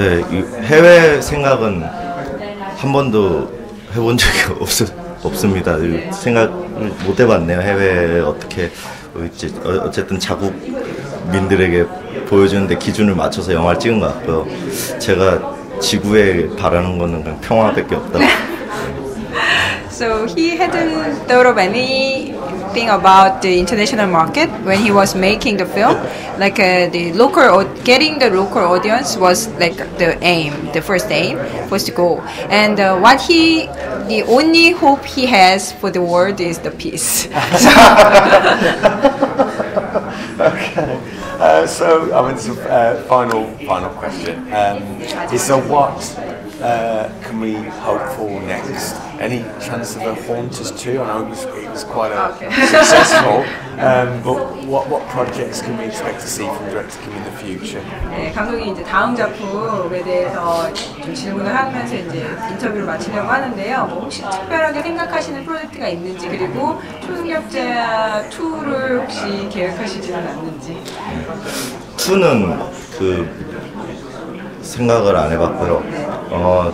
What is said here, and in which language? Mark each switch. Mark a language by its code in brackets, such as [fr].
[ko] 네, 해외 생각은 한 번도 해본 적이 없습니다. 네. 생각을 못 해봤네요. 해외에 어떻게 어쨌든 자국민들에게 보여주는데 기준을 맞춰서 영화를 찍은 것 같고요. 제가 지구에 바라는 거는 그냥 평화밖에 없다. [en] So he hadn't thought of anything about the international market when he was making the film. Like getting the local audience was like the aim, the first aim was the goal. And the only hope he has for the world is the peace. Final question. What can we hope for next? Any chance of a Haunters 2? I know it was quite successful, but what projects can we expect to see from director Kim in the future? [ko] 네, 감독이 이제 다음 작품에 대해서 좀 질문을 하면서 이제 인터뷰를 마치려고 하는데요. 뭐 혹시 특별하게 생각하시는 프로젝트가 있는지 그리고 초능력자 2를 혹시 계획하시지는 않는지. 2는 생각을 안 해봤고요.